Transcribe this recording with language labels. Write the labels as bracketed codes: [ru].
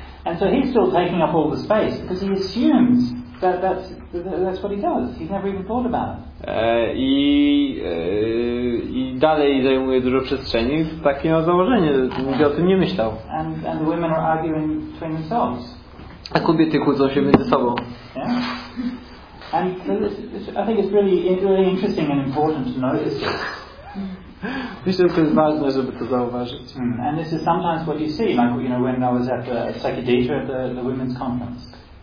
[en] And so he's still taking up all the space because he assumes that's what he does. He's never even thought about it. [pl] I dalej zajmuje dużo przestrzeni. Takie ma założenie, nigdy o tym nie myślał. [en] And the women are arguing between themselves. [pl] A kobiety kłócą się między sobą. [en] Yeah? And so this, I think it's really interesting and important to notice this. [pl] Myślę, że to jest ważne, żeby to zauważyć. [en] And this is sometimes what you see, like you know, when I was at the Sekideta at the women's conference.